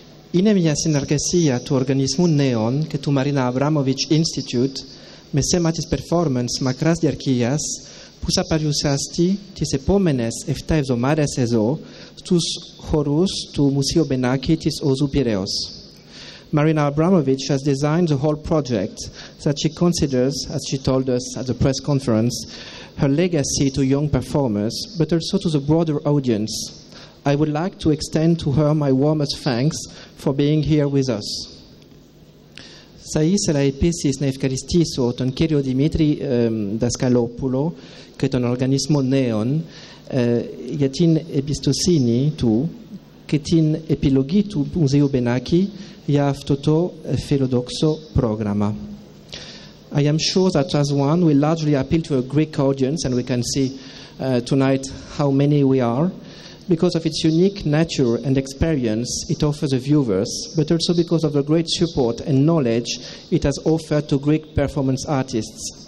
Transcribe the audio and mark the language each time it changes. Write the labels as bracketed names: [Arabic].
[Greek] Είναι μια συνεργασία του οργανισμού ΝΕΟΝ και του Marina Abramovich Institute με θέμα της performance μακράς διαρκείας που θα παρουσιαστεί τις επόμενες 7 εβδομάδες εδώ στους χορούς του Μουσείου Μπενάκη της Οζού Πειραιός. [English] Marina Abramovich has designed the whole project that she considers, as she told us at the press conference, her legacy to young performers, but also to the broader audience. I would like to extend to her my warmest thanks for being here with us. [Greek] Θα ήθελα επίσης να ευχαριστήσω τον κύριο Δημήτρη Δασκαλόπουλο και τον οργανισμό ΝΕΟΝ για την εμπιστοσύνη του και την επιλογή του Μουσείου Μπενάκη για αυτό το φιλοδόξο πρόγραμμα. [English] I am sure that Jazz One will largely appeal to a Greek audience, and we can see tonight how many we are, because of its unique nature and experience it offers the viewers, but also because of the great support and knowledge it has offered to Greek performance artists.